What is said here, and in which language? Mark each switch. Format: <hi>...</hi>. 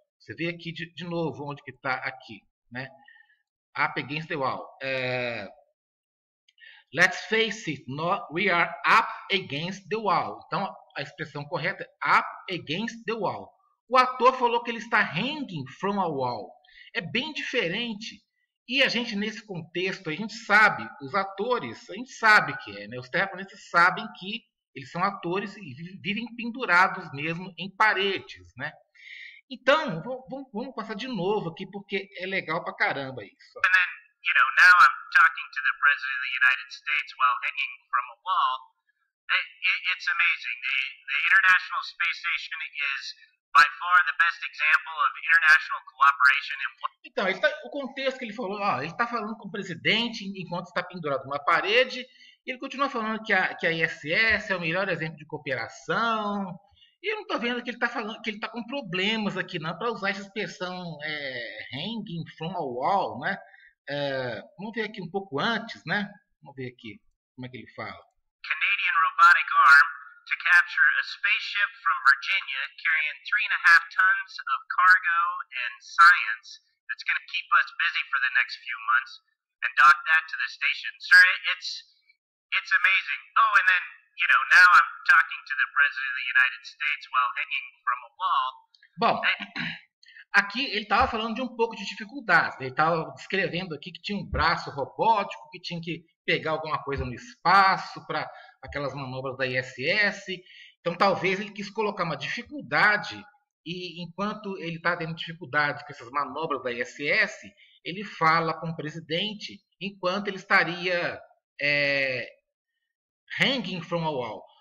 <pt>Você vê aqui de novo onde que está aqui, né?</pt> <en>Up against the wall. Let's face it, no, we are up against the wall.</en> <pt>Então, a expressão correta é</pt> <en>up against the wall.</en> <pt>O ator falou que ele está</pt> <en>hanging from a wall.</en> <pt>É bem diferente. E a gente, nesse contexto, a gente sabe, os atores, a gente sabe que é, né? Os terraplanistas sabem que eles são atores e vivem pendurados mesmo em paredes, né? Então, vamos passar de novo aqui, porque é legal pra caramba isso.</pt> <en>And then, you know, now I'm talking to the President of the United States while hanging from a wall. It's amazing. The International Space Station is by far the best example of international cooperation in what.</en> <pt>Então, o contexto que ele falou, ó, ele está falando com o presidente enquanto está pendurado numa parede, e ele continua falando que a ISS é o melhor exemplo de cooperação. E eu não estou vendo que ele está falando que ele está com problemas aqui, não, para usar essa expressão</pt> <en>hanging from a wall,</en> <pt>né? Vamos ver aqui um pouco antes, né? Vamos ver aqui como é que ele fala.</pt> <en>Canadian robotic arm to capture a spaceship from Virginia carrying 3.5 tons of cargo and science that's going to keep us busy for the next few months and dock that to the station. Sir, it's amazing. Oh, and then, you know, now I'm talking to the President of the United States while hanging from a wall.</en> <pt>Bom, aqui ele estava falando de um pouco de dificuldades. Ele estava descrevendo aqui que tinha um braço robótico, que tinha que pegar alguma coisa no espaço para aquelas manobras da ISS. Então, talvez ele quis colocar uma dificuldade, e enquanto ele está tendo dificuldades com essas manobras da ISS, ele fala com o presidente enquanto ele estaria</pt> <en>hanging from a wall.</en>